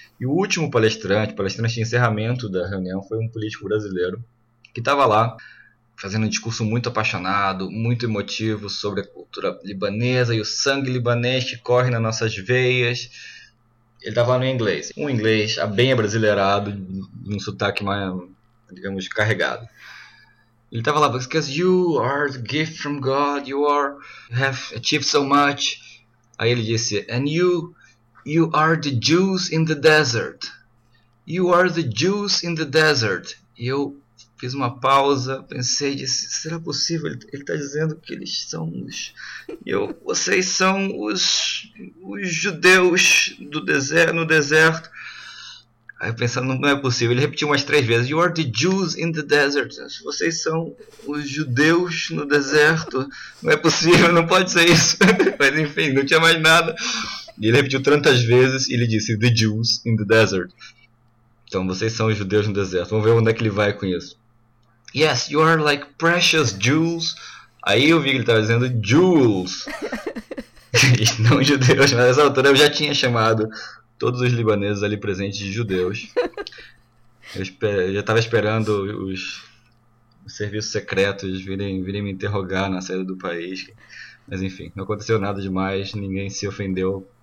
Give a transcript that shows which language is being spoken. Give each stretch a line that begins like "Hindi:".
Portuguese: E o último palestrante de encerramento da reunião, foi um político brasileiro que estava lá fazendo um discurso muito apaixonado, muito emotivo sobre a cultura libanesa e o sangue libanês que corre nas nossas veias. Ele estava falando em inglês, um inglês bem abrasileirado, um sotaque mais, digamos, carregado. Ele estava lá:
English: "Because you are the gift from God, you have achieved so much."
Portuguese: Aí ele disse:
English: "And you are the Jews in the desert. You are the Jews in the desert."
Portuguese: E eu fiz uma pausa, pensei, disse: "Será possível? Ele está dizendo que eles são os. Eu, vocês são os judeus do deserto, no deserto." Aí eu pensando, não é possível. Ele repetiu umas três vezes:
English: "You are the Jews in the desert.
Portuguese: Vocês são os judeus no deserto. Não é possível, não pode ser isso." Mas enfim, não tinha mais nada. E ele repetiu tantas vezes, e ele disse:
English: "The Jews in the desert.
Portuguese: Então vocês são os judeus no deserto." Vamos ver onde é que ele vai com isso.
English: "Yes, you are like precious jewels."
Portuguese: Aí eu vi que ele estava dizendo jewels, não judeus. Mas nessa altura eu já tinha chamado todos os libaneses ali presentes de judeus. Eu já estava esperando os serviços secretos virem me interrogar na saída do país. Mas enfim, não aconteceu nada demais, ninguém se ofendeu